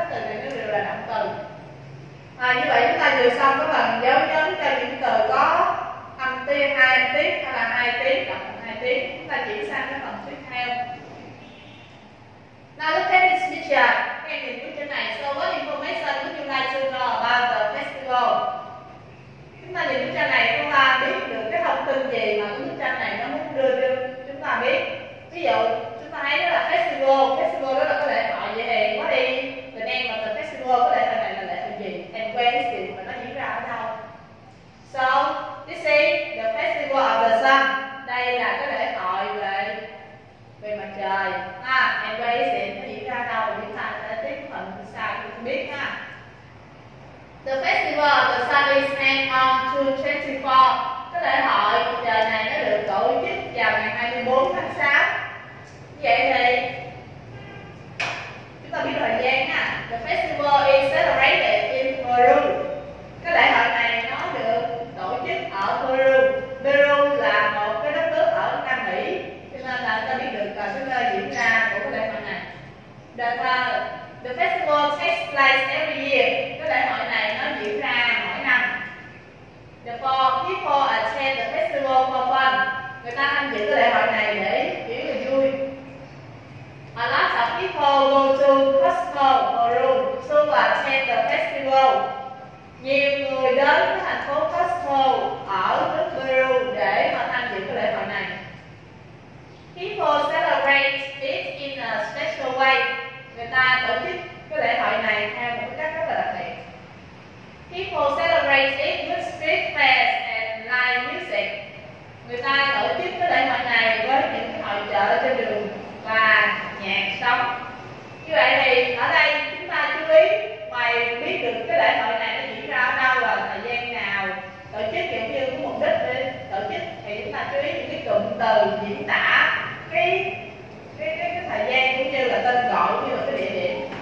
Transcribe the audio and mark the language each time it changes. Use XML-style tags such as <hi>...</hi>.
<vi>Bởi vì đa số các từ này nó đều là động từ. À, như vậy chúng ta vừa xong cái phần dấu nhấn cho những từ có âm tiết, hai âm tiết hay là hai tiết, cộng hai tiết. Chúng ta chuyển sang cái phần tiếp theo.</vi> <en>Now look at this picture.</en> <vi>Cái hình của chữ này.</vi> <en>So what information would you like to know about the festival?</en> <vi>Chúng ta nhìn bức tranh này, chúng ta biết được cái thông tin gì mà bức tranh này nó muốn đưa cho chúng ta biết. Ví dụ thấy là festival đó là có lễ hội vậy thì có đi mình em mà từ festival có lễ hội này là lễ hội gì em quen cái gì mà nó diễn ra ở đâu.</vi> <en>So this is the festival of the sun.</en> <vi>Đây là cái lễ hội về mặt trời ha. Em quen cái gì nó diễn ra ở đâu thì chúng ta sẽ tiếp phần từ sau thì không biết ha.</vi> <en>The festival of the sun is held on June 24.</en> <vi>Cái lễ hội mặt trời này nó được tổ chức vào ngày 24 tháng 6. Vậy thì chúng ta biết thời gian ha.</vi> <en>The festival is celebrated in Peru.</en> <vi>Cái lễ hội này nó được tổ chức ở Peru. Peru là một cái đất nước ở Nam Mỹ. Cho nên là chúng ta biết được cái nơi diễn ra của cái lễ hội này.</vi> <en>The festival takes place every year.</en> <vi>Cái lễ hội này nó diễn ra mỗi năm.</vi> <en>The four people attend the festival for fun.</en> <vi>Người ta tham dự cái lễ hội này để kiểu là vui.</vi> <en>A lot of people go to Cusco, Peru to attend the festival.</en> <vi>Nhiều người đến thành phố Cusco ở nước Peru để mà tham dự cái lễ hội này.</vi> <en>People celebrate it in a special way.</en> <vi>Người ta tổ chức cái lễ hội này theo một cách rất là đặc biệt.</vi> <en>People celebrate it with street fairs and live music.</en> <vi>Người ta tổ chức cái lễ hội này với những cái hội chợ trên đường và nhạc sống. Như vậy thì ở đây chúng ta chú ý mày biết được cái lễ hội này nó diễn ra ở đâu và thời gian nào tổ chức, kiểu như có mục đích để tổ chức thì chúng ta chú ý những cái cụm từ diễn tả cái thời gian cũng như là tên gọi cũng như là cái địa điểm.</vi>